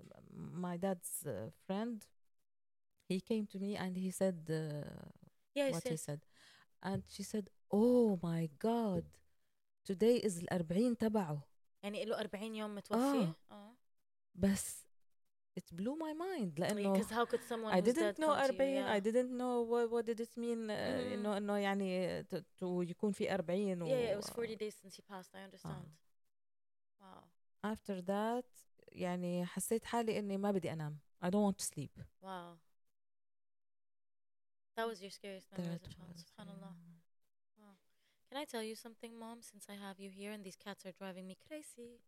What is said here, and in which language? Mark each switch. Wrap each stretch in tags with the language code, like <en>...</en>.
<en>My dad's friend, he came to me and he said he said. And she said, oh my God, today is</en> <ar>الأربعين تبعه. يعني إلو 40 يوم متوفي.</ar> <en>بس it blew my mind. لأنه because how could someone I didn't know 40. I didn't know what did it mean.</en> <ar>إنه يعني to يكون في 40.</ar> <en>Yeah, it was 40 days since he passed. I understand. Wow. After that,</en> <ar>يعني حسيت حالي إني ما بدي أنام.</ar> <en>I don't want to sleep. Wow. That was your scariest memory as a child. SubhanAllah. Yeah. Wow. Can I tell you something, Mom, since I have you here and these cats are driving me crazy?</en>